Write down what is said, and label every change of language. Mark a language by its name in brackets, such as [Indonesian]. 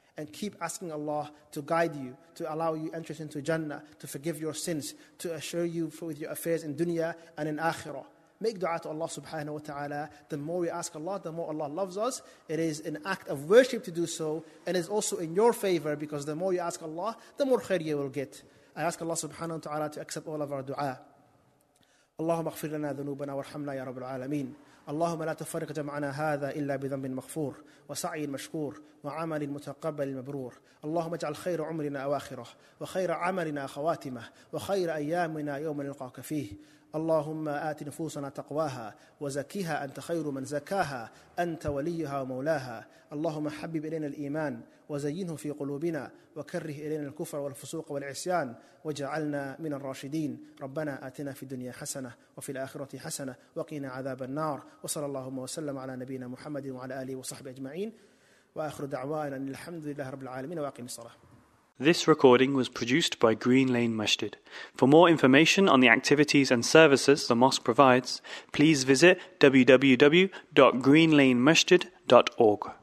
[English] And keep asking Allah to guide you, to allow you entrance into Jannah, to forgive your sins, to assure you with your affairs in dunya and in akhirah. Make dua to Allah subhanahu wa ta'ala. The more we ask Allah, the more Allah loves us. It is an act of worship to do so, and is also in your favor, because the more you ask Allah, the more khair you will get. I ask Allah subhanahu wa ta'ala to accept all of our dua. [Arabic] اللهم اغفر لنا ذنوبنا وارحمنا يا رب العالمين اللهم لا تفرق جمعنا هذا إلا بذنب مغفور وسعي مشكور وعمل متقبل مبرور اللهم اجعل خير عمرنا أواخره وخير عملنا خواتمه وخير أيامنا يوم نلقاك فيه اللهم آت نفوسنا تقواها وزكيها أنت خير من زكاها أنت وليها ومولاها اللهم حبب إلينا الإيمان وزينه في قلوبنا وكره إلينا الكفر والفسوق والعصيان وجعلنا من الراشدين ربنا آتنا في الدنيا حسنة وفي الآخرة حسنة وقنا عذاب النار وصلى اللهم وسلم على نبينا محمد وعلى آله وصحبه أجمعين وآخر دعوانا الحمد لله رب العالمين وأقيم الصلاة. [English] This recording was produced by Green Lane Masjid. For more information on the activities and services the mosque provides, please visit www.greenlanemasjid.org.